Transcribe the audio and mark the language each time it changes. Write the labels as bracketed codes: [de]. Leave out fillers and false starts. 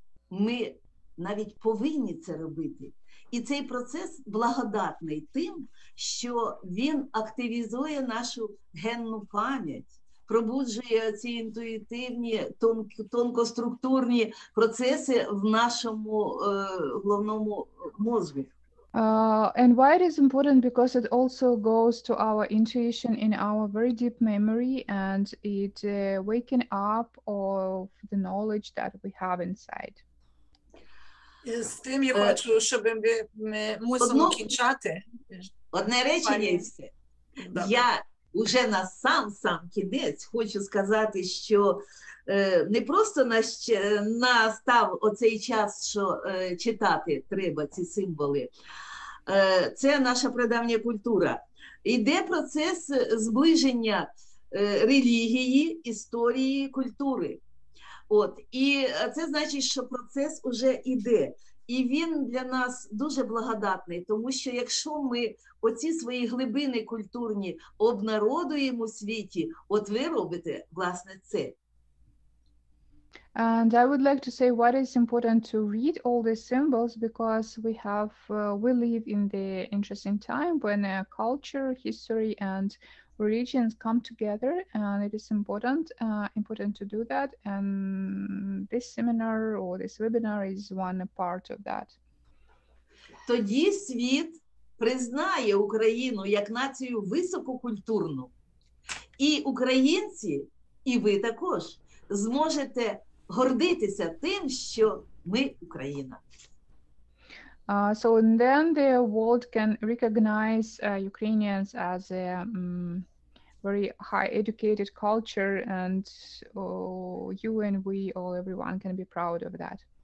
[uk] Ми навіть повинні це робити. І цей процес благодатний тим, що він активізує нашу генну пам'ять, пробуджує ці інтуїтивні, тонкоструктурні процеси в нашому головному мозку. [en] And why it is important? Because it also goes to our intuition in our very deep memory, and it waken up of the knowledge that we have inside. [uk] З тим я хочу, щоб ми мусимо кінчати. Одне речення є. Я уже на сам кінець хочу сказати, що не просто настав оцей час, що читати треба ці символи. Це наша прадавня культура. Іде процес зближення релігії, історії, культури. От. І це значить, що процес уже іде. І він для нас дуже благодатний, тому що якщо ми оці свої глибини культурні обнародуємо у світі, от ви робите власне це. [en] And I would like to say what is important to read all the symbols, because we have we live in the interesting time when culture, history and religions come together, and it is important important to do that, and this seminar or this webinar is one part of that. [uk] Тоді світ признає Україну як націю висококультурну, і українці, і ви також зможете гордитися тим, що ми Україна. [en] So and then the world can recognize Ukrainians as a very high educated culture, and oh, you and we all, everyone can be proud of that.